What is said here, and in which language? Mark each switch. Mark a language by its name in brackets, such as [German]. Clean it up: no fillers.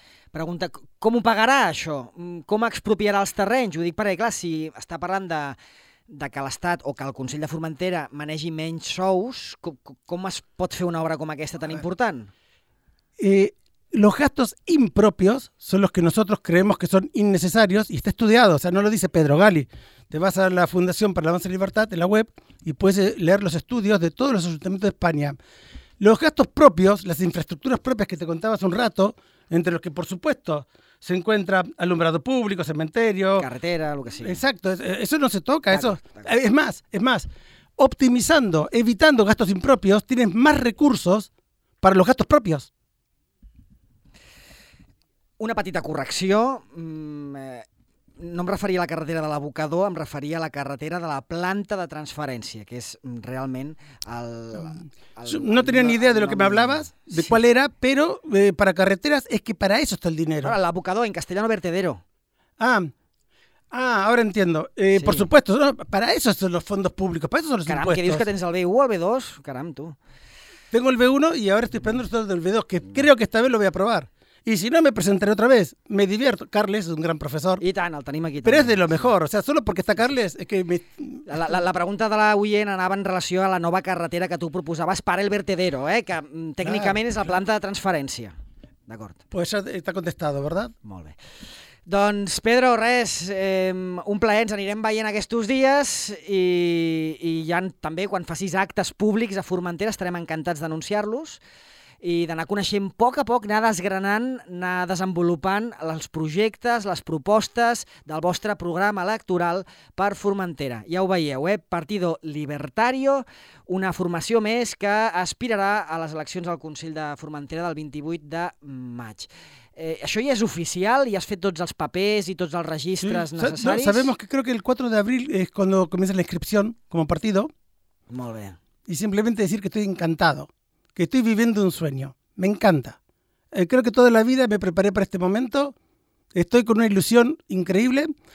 [Catalan] Pregunta com ho pagarà això? Com expropiarà els terrenys? Ho dic perquè, clar, si està parlant de que l'Estat o que el Consell de Formentera manegi menys sous, com es pot fer una obra com aquesta tan important? [Spanish] Los gastos impropios son los que nosotros creemos que son innecesarios y está estudiado, o sea, no lo dice Pedro Gali. Te vas a la Fundación para el Avance y Libertad en la web y puedes leer los estudios de todos los ayuntamientos de España. Los gastos propios, las infraestructuras propias que te contaba hace un rato, entre los que por supuesto se encuentra alumbrado público, cementerio, carretera, lo que sea. Exacto, eso no se toca, claro, eso claro. Es más, optimizando, evitando gastos impropios, tienes más recursos para los gastos propios. [Catalan] Una petita correcció, no em referia a la carretera de l'abocador, em referia a la carretera de la planta de transferència, que és realment el... [Spanish] No tenia ni idea de lo que me hablabas, de sí. Qual era, pero para carreteras es que para eso está el dinero. Ahora, l'abocador, en castellano vertedero. Ah, ahora entiendo. Sí. Por supuesto, no, para eso son los fondos públicos, para eso son los [Catalan] caram, [Spanish] impuestos. [Catalan] Caram, que dius que tens el B1 o el B2, caram, tú. [Spanish] Tengo el B1 y ahora estoy esperando el resultado del B2, que creo que esta vez lo voy a probar. Y si no, me presentaré otra vez. Me divierto. Carles es un gran profesor. [Catalan] I tant, el tenim aquí. [Spanish] Pero també. Es de lo mejor. O sea, solo porque está Carles... Es que [Catalan] la pregunta de la oient anava en relació a la nova carretera que tu proposaves per el vertedero, que tècnicament és la planta de transferència. D'acord. [Spanish] Pues ya está contestado, ¿verdad? [Catalan] Molt bé. Doncs, Pedro, res, un plaer. Ens anirem veient aquests dies i ja també quan facis actes públics a Formentera estarem encantats d'anunciar-los. I d'anar coneixent a poc, anar desgranant, anar desenvolupant els projectes, les propostes del vostre programa electoral per Formentera. Ja ho veieu, Partido Libertario, una formació més que aspirarà a les eleccions al Consell de Formentera del 28 de maig. Això ja és oficial? Ja has fet tots els papers i tots els registres sí. necessaris? [Spanish] No, sabemos que creo que el [Catalan] 4 d'abril [Spanish] es cuando comienza la inscripción como partido. [Catalan] Molt bé. [Spanish] Y simplemente decir que estoy encantado. Que estoy viviendo un sueño. Me encanta. Creo que toda la vida me preparé para este momento. Estoy con una ilusión increíble.